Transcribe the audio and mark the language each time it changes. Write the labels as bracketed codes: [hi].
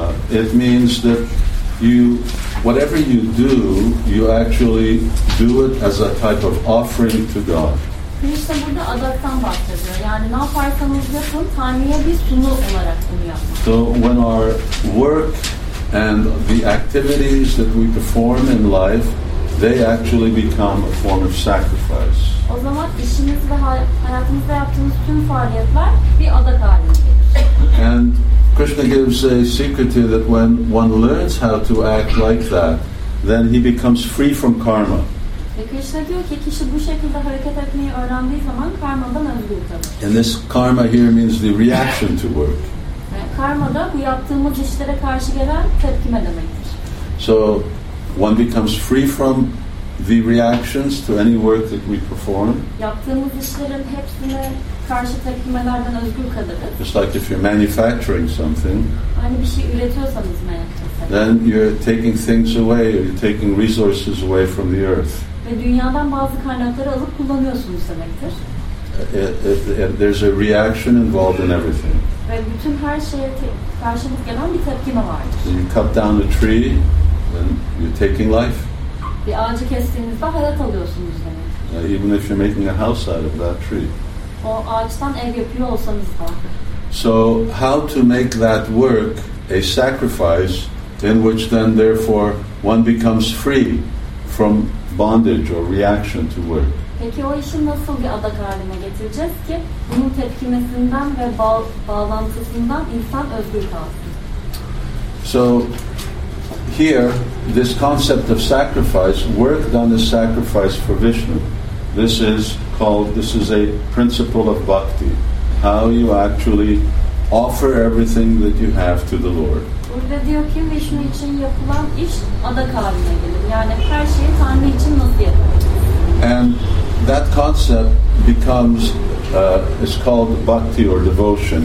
[en] It means that you, whatever you do, you actually do it as a type of offering to God. [tr] Krishna burada adaktan bahsediyor. Yani ne yaparsanız yapın, Tanrı'ya bir sunu olarak bunu yapmak. [en] So when our work and the activities that we perform in life, they actually become a form of sacrifice. [tr] O zaman işimiz ve hayatımızda yaptığımız tüm faaliyetler bir adak haline gelir. [en] And Krishna gives a secret here that when one learns how to act like that, then he becomes free from karma. [tr] Ve Krishna diyor ki kişi bu şekilde hareket etmeyi öğrendiği zaman karmadan özgür kalır. [en] And this karma here means the reaction to work. [tr] Karma da bu yaptığımız işlere karşı gelen tepkime demektir. [en] So one becomes free from the reactions to any work that we perform. [tr] Yaptığımız işlerin hepsine karşı tepkimelerden özgür kalırız. [en] Just like if you're manufacturing something. [tr] Hani bir şey üretiyorsanız [en] then you're taking things away or you're taking resources away from the earth. [tr] Ve dünyadan bazı kaynakları alıp kullanıyorsunuz demektir. [en] There's a reaction involved in everything. [tr] Ve bütün her şeye karşılık gelen bir tepkime vardır. [en] So you cut down a tree and you're taking life. [tr] Bir ağacı kestiğinizde hayat alıyorsunuz demektir. [en] Even if you're making a house out of that tree. [tr] O ağaçtan ev yapıyor olsanız da. [en] So how to make that work a sacrifice in which then therefore one becomes free from bondage or reaction to work. [tr] Peki o işi nasıl bir adak haline getireceğiz ki bunun tepkimesinden ve bağlantısından insan özgür kalsın? [en] So here this concept of sacrifice, work done as sacrifice for Vishnu, this is a principle of bhakti, how you actually offer everything that you have to the Lord. [tr] Burada diyor ki Vishnu için yapılan iş adak haline gelir. Yani her şeyi Tanrı için nasıl yaparız? [en] And that concept becomes is called bhakti or devotion.